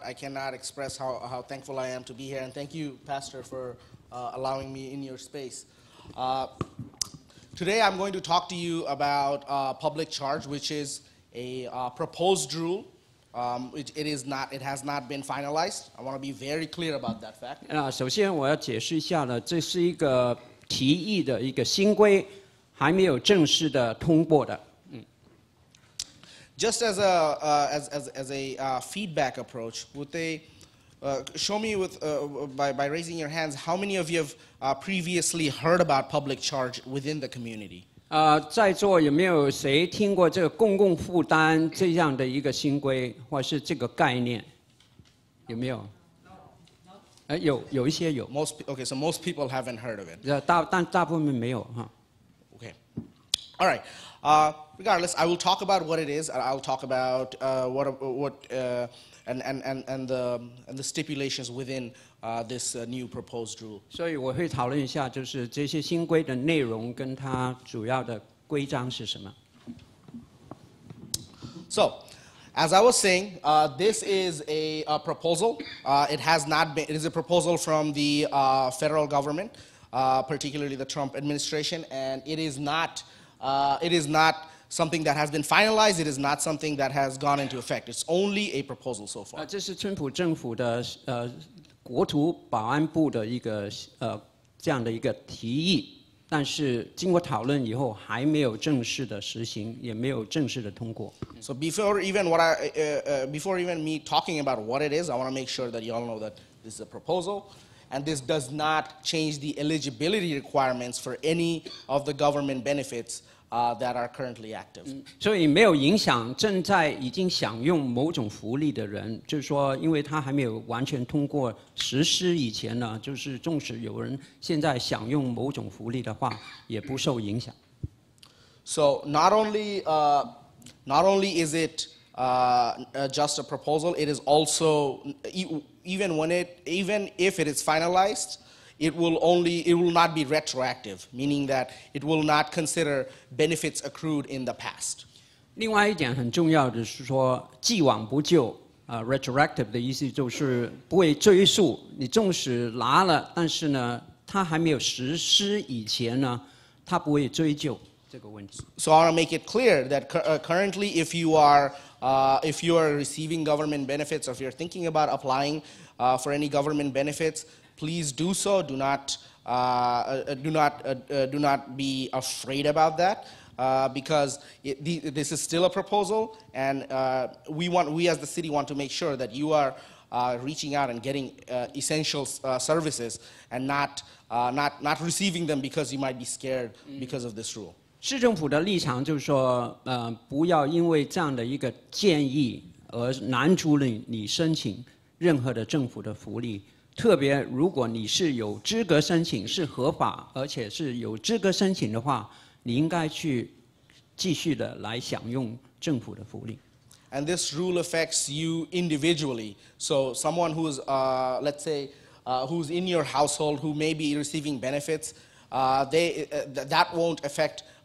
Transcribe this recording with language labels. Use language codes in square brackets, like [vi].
[en] I cannot express how thankful I am to be here. And thank you, Pastor, for allowing me in your space. Today I'm going to talk to you about public charge, which is a proposed rule It has not been finalized. I want to be very clear about that fact. [zh] 首先我要解释一下呢，这是一个提议的一个新规，还没有正式的通过的。 [en] Just as a feedback approach, would they show me with by raising your hands how many of you have previously heard about public charge within the community? [zh] 在座有没有谁听过这个公共负担这样的一个新规或是这个概念？有没有？有一些有。 [en] Most okay, so most people haven't heard of it. [zh] 但大部分没有哈。 [en] Okay, all right. Regardless, I will talk about what it is. I'll talk about the stipulations within this new proposed rule. [zh] 所以我会讨论一下，就是这些新规的内容跟它主要的规章是什么。 [en] So, as I was saying, this is a proposal. It has not been. It is a proposal from the federal government, particularly the Trump administration, and it is not. It is not. Something that has been finalized, it is not something that has gone into effect. It's only a proposal so far. [zh] 这是川普政府的国土保安部的一个这样的一个提议，但是经过讨论以后还没有正式的实行，也没有正式的通过。 [en] So before even me talking about what it is, I want to make sure that you all know that this is a proposal. And this does not change the eligibility requirements for any of the government benefits that are currently active. [zh] 所以没有影响正在已经享用某种福利的人，就是说，因为他还没有完全通过实施以前呢，就是纵使有人现在享用某种福利的话，也不受影响。 [en] So not only is it just a proposal, it is also. Even if it is finalized, it will not be retroactive, meaning that it will not consider benefits accrued in the past. [zh] 另外一点很重要的是说，既往不咎。 Retroactive 的意思就是不会追溯。你纵使拿了，但是呢，它还没有实施以前呢，它不会追究这个问题。 [en] So I want to make it clear that currently, if you are receiving government benefits, or if you're thinking about applying for any government benefits, please do so. Do not be afraid about that, because this is still a proposal, and we as the city want to make sure that you are reaching out and getting essential services, and not receiving them because you might be scared because of this rule. [zh] 市政府的立场就是说，不要因为这样的一个建议而拦阻你申请任何的政府的福利，特别如果你是有资格申请，是合法而且是有资格申请的话，你应该去继续的来享用政府的福利。 [en] And this rule affects you individually. So someone who's who's in your household who may be receiving benefits, that won't affect.